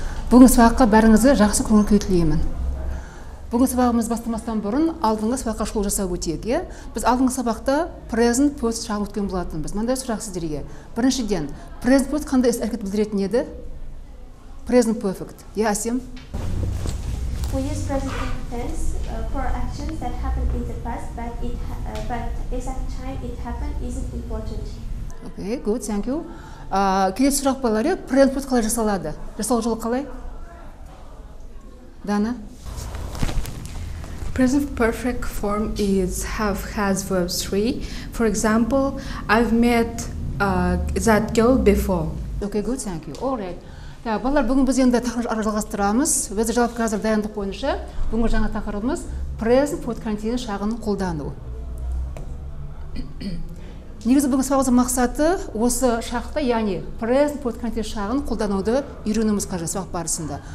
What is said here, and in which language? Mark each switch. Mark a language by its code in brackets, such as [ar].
[kk] Бүгін сабаққа бәріңізге жақсы көңіл күй тілеймін. Бүгін сабағымыз бастамастан бұрын алдыңғы сабаққа шолу жасау өтеді. Біз алдыңғы сабақта present post шағын өткен болатынбыз. Мындай сұрақ сіздерге. Біріншіден, present post қандай іс-әрекет білдіретін еді? [en] Present perfect. [kk] Иә, [en] Асем. We use present tense for actions that happened in the past, but the exact time it happened isn't important. Okay, good, thank you. [kk] Келесі сұрақ балалар, present post қалай жасалады? Жасалу жолы қалай? Дана? [en] Present perfect form is have, has, verb 3. For example, I've met that girl before. Okay, good, thank you. All right. [kk] Так, балалар, бүгін біз енді тақырып жалғастырамыз. Өзі жалып қазір дайындық бойынша, бүгінгі жаңа тақырыбымыз present perfect continuous шағын қолдану. Негізі бүгін сабағымыз мақсаты осы шақты, яғни present perfect continuous шағын қолдануды үйренуіміз қажет сабақ барысында.